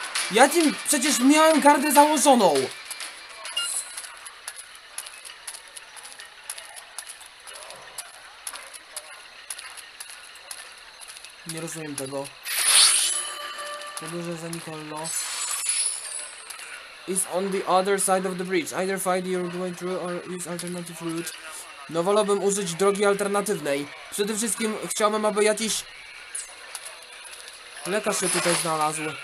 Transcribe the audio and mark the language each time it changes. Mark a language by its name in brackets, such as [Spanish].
[Polish] Ja tym przecież miałem gardę założoną. Nie rozumiem tego. Podążę za Nicolo. [English] is on the other side of the bridge. Either find your way through or use alternative route. [Polish] No, wolałbym użyć drogi alternatywnej. Przede wszystkim chciałbym, aby jakiś lekarz się tutaj znalazł.